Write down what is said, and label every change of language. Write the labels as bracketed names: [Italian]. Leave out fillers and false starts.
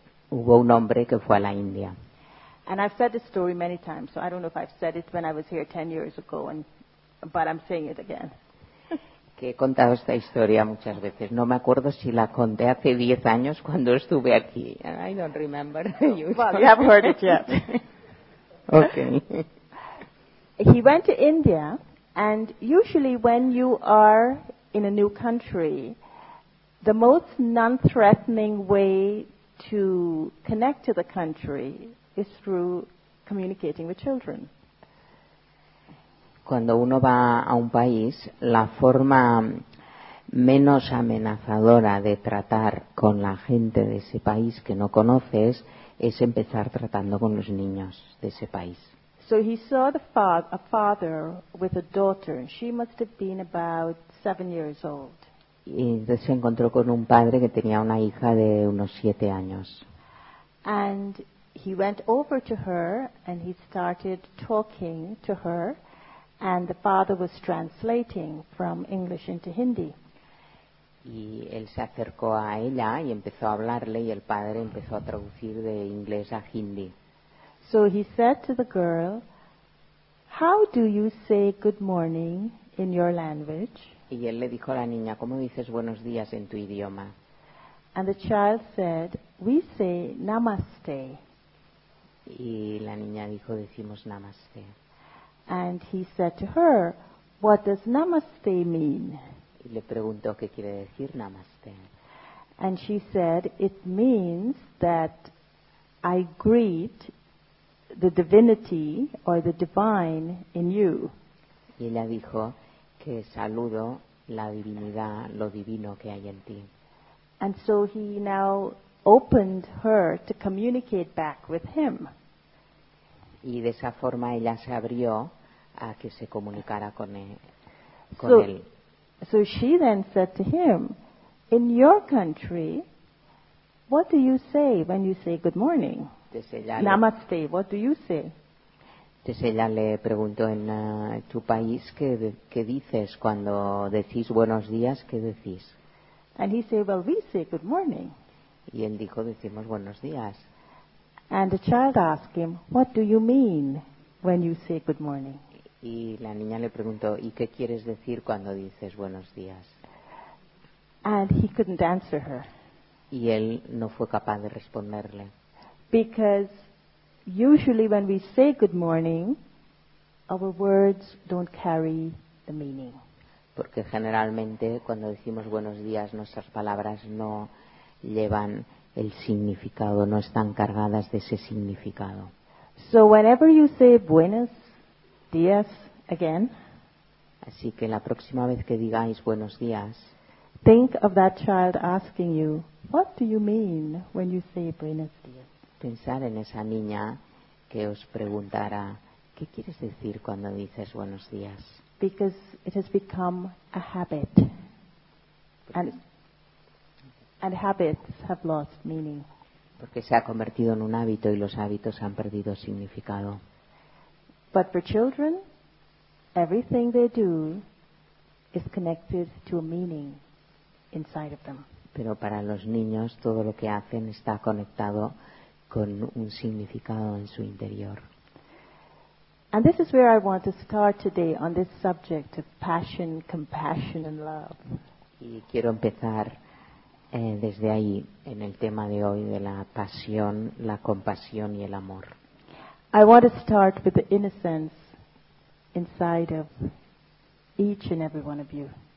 [Spanish] Hubo un hombre que fue a la India. [English] And I've said this story many times, so I don't know if I've said it when I was here 10 years ago, but I'm saying it again. [Spanish] Que he contado esta historia muchas veces. No me acuerdo si la conté hace 10 años cuando estuve aquí. [English] I don't remember. Well, you haven't heard it yet. Okay. He went to India, and usually when you are in a new country, the most non-threatening way to connect to the country is through communicating with children. [Spanish] Cuando uno va a un país, la forma menos amenazadora de tratar con la gente de ese país que no conoces es empezar tratando con los niños de ese país. [English] So he saw a father with a daughter. She must have been about 7 years old. [Spanish] Y entonces se encontró con un padre que tenía una hija de unos 7 años. [English] And he went over to her and he started talking to her. And the father was translating from English into Hindi. [Spanish] Y él se acercó a ella y empezó a hablarle y el padre empezó a traducir de inglés a Hindi. [English] So he said to the girl, "How do you say good morning in your language?" [Spanish] Y él le dijo a la niña, "¿Cómo dices buenos días en tu idioma?" [English] And the child said, "We say namaste." [Spanish] Y la niña dijo, "Decimos namaste." [English] And he said to her, "What does namaste mean?" [Spanish] Y le preguntó qué quiere decir namaste. [English] And she said, "It means that I greet the divinity or the divine in you." [Spanish] Y ella dijo que saludo la divinidad, lo divino que hay en ti. [English] And so he now opened her to communicate back with him. [Spanish] Y de esa forma ella se abrió a que se comunicara con [English] so, [Spanish] él. [English] So she then said to him, "In your country, what do you say when you say good morning?" Namaste, what do you say? [Spanish] Entonces ella le preguntó, "En tu país, ¿qué dices cuando decís buenos días, qué decís?" [English] And he said, "Well, we say good morning." [Spanish] Y él dijo, "Decimos buenos días." [English] And the child asked him, "What do you mean when you say good morning?" [Spanish] Y la niña le preguntó, "¿Y qué quieres decir cuando dices buenos días?" [English] And he couldn't answer her. [Spanish] Y él no fue capaz de responderle. [English] Because usually when we say good morning, our words don't carry the meaning. [Spanish] Porque generalmente cuando decimos buenos días, nuestras palabras no llevan el significado, no están cargadas de ese significado. [English] So whenever you say buenos días again. [Spanish] Así que la próxima vez que digáis buenos días, [English] think of that child asking you, "What do you mean when you say buenos días?" [Spanish] Pensar en esa niña que os preguntara, "¿Qué quieres decir cuando dices buenos días?" [English] Because it has become a habit. And habits have lost meaning. [Spanish] Porque se ha convertido en un hábito y los hábitos han perdido significado. [English] But for children, everything they do is connected to a meaning inside of them. [Spanish] Pero para los niños, todo lo que hacen está conectado con un significado en su interior. [English] And this is where I want to start today on this subject of passion, compassion and love. [Spanish] Y quiero empezar desde ahí, en el tema de hoy de la pasión, la compasión y el amor. [English] I want to start with the innocence inside of each and every one of you.